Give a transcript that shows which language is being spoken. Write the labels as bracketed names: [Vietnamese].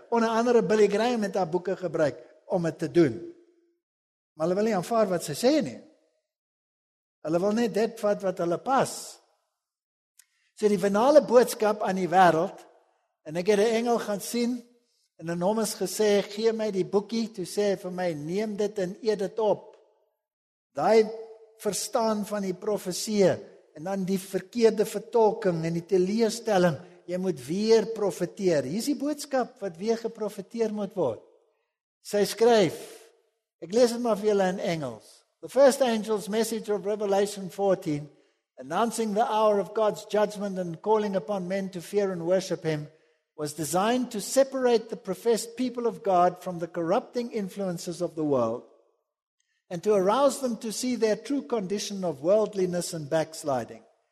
[Afrikaans] Onder andere Billy Graham het haar boeke gebruik om het te doen. Maar hulle wil nie aanvaar wat sy sê nie. Hulle wil net dit wat hulle pas. So die finale boodskap aan die wêreld, en ek het 'n engel gaan sien, en in hom is gesê, gee my die boekie, toe sê hy vir my, neem dit en eet dit op. Daai verstaan van die profesie, en dan die verkeerde vertolking en die teleurstelling, jy moet weer profeteer. Hier is die boodskap wat weer geprofeteer moet word. Sy skryf, ek lees het maar vir julle in Engels. [English] The first angel's message of Revelation 14, announcing the hour of God's judgment and calling upon men to fear and worship him, was designed to separate the professed people of God from the corrupting influences of the world and to arouse them to see their true condition of worldliness and backsliding.